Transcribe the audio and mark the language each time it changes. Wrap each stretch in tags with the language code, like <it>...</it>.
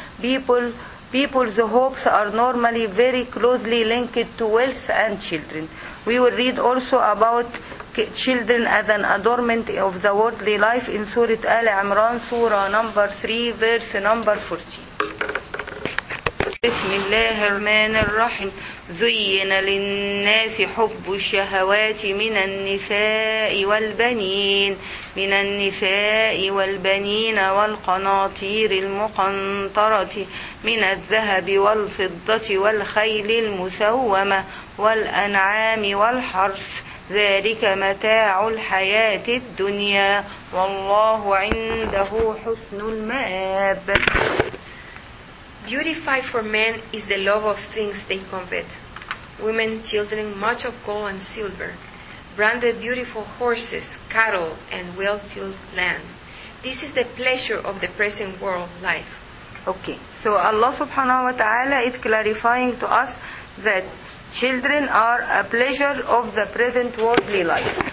<en>People's hopes are normally very closely linked to wealth and children. We will read also about children as an adornment of the worldly life in Surah Al-Imran, Surah number 3, verse number 14.</en> <ar>بسم الله الرحمن الرحيم زين للناس حب الشهوات من النساء والبنين من النساء والبنين والقناطير المقنطرة من الذهب والفضة والخيل المسومة والأنعام والحرث ذلك متاع الحياة الدنيا والله عنده حسن المآب.</ar> <en>Beautified for men is the love of things they covet. Women, children, much of gold and silver, branded beautiful horses, cattle, and well-filled land. This is the pleasure of the present world life. Okay, so Allah subhanahu wa ta'ala is clarifying to us that children are a pleasure of the present worldly life.</en>